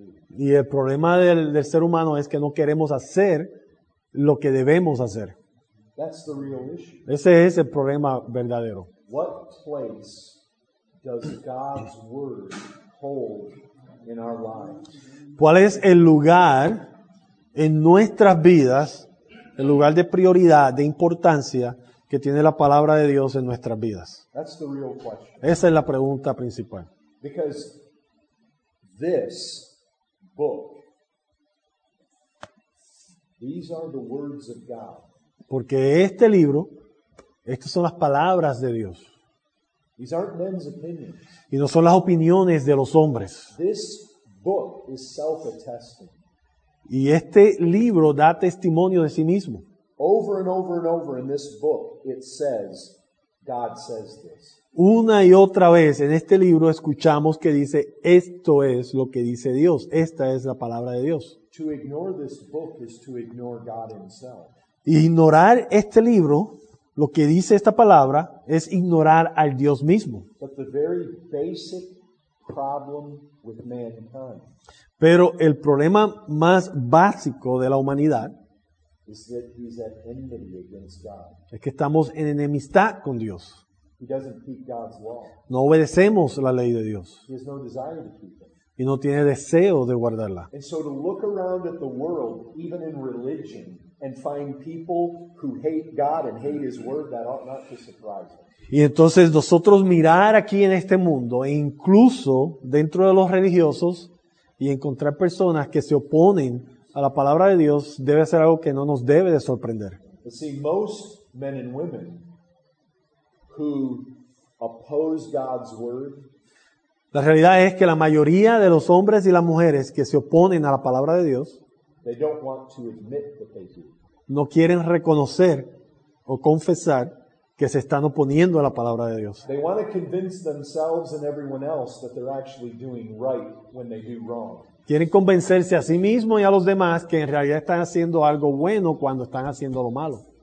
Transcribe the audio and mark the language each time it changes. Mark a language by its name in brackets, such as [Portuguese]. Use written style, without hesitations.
[Spanish] Y el problema del ser humano es que no queremos hacer lo que debemos hacer. [English] That's the real issue. [Spanish] Ese es el problema verdadero. [English] What place does God's word hold in our lives? [Spanish] ¿Cuál es el lugar en nuestras vidas, el lugar de prioridad, de importancia que tiene la palabra de Dios en nuestras vidas? [English] That's the real question. [Spanish] Esa es la pregunta principal. [English] Because this book, these are the words of God. [Spanish] Porque este libro, estas son las palabras de Dios. [English] These aren't men's opinions. [Spanish] Y no son las opiniones de los hombres. [English] This book is self-attesting. [Spanish] Y este libro da testimonio de sí mismo. [English] Over and over and over in this book, it says, God says this. [Spanish] Una y otra vez en este libro escuchamos que dice, esto es lo que dice Dios, esta es la palabra de Dios. [English] To ignore this book is to ignore God himself. [Spanish] Ignorar este libro, lo que dice esta palabra, es ignorar al Dios mismo. [English] But the very basic problem with mankind. [Spanish] Pero el problema más básico de la humanidad [English] is that he's at enmity against God. [Spanish] Es que estamos en enemistad con Dios. [English] He doesn't keep God's law. [Spanish] No obedecemos la ley de Dios. [English] He has no desire to keep it. [Spanish] Y no tiene deseo de guardarla. [English] And so to look around at the world, even in religion, and find people who hate God and hate his word, that ought not to surprise us. [Spanish] Y entonces nosotros mirar aquí en este mundo, e incluso dentro de los religiosos, y encontrar personas que se oponen a la palabra de Dios debe ser algo que no nos debe de sorprender. [English] See, most men and women who oppose God's word, [Spanish] la realidad es que la mayoría de los hombres y las mujeres que se oponen a la palabra de Dios, [English] they don't want to admit that they do. [Spanish] No quieren reconocer o confesar que se están oponiendo a la palabra de Dios. [English] They want to convince themselves and everyone else that they're actually doing right when they do wrong. [Spanish] Quieren convencerse a sí mismo y a los demás que en realidad están haciendo algo bueno cuando están haciendo lo malo.